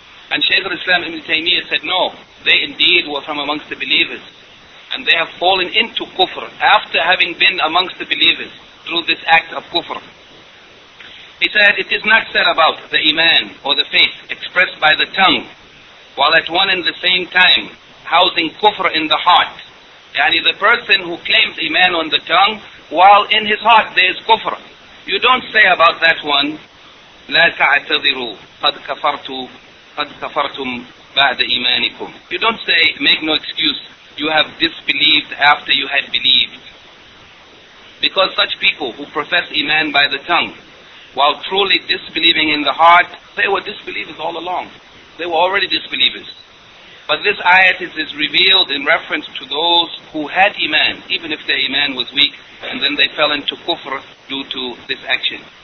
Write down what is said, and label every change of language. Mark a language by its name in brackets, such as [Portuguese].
[English] And Shaykh al-Islam ibn Taymiyyah said no, they indeed were from amongst the believers, and they have fallen into kufr after having been amongst the believers through this act of kufr. He said it is not said about the iman or the faith expressed by the tongue, while at one and the same time housing kufr in the heart. Yani the person who claims iman on the tongue, while in his heart there is kufr. You don't say about that one, [Arabic] لا تعتذروا قد كفرتم بعد إيمانكم. [English] You don't say, make no excuse, you have disbelieved after you had believed. Because such people who profess iman by the tongue, while truly disbelieving in the heart, they were disbelievers all along. They were already disbelievers. But this ayat is revealed in reference to those who had iman, even if their iman was weak, and then they fell into kufr due to this action.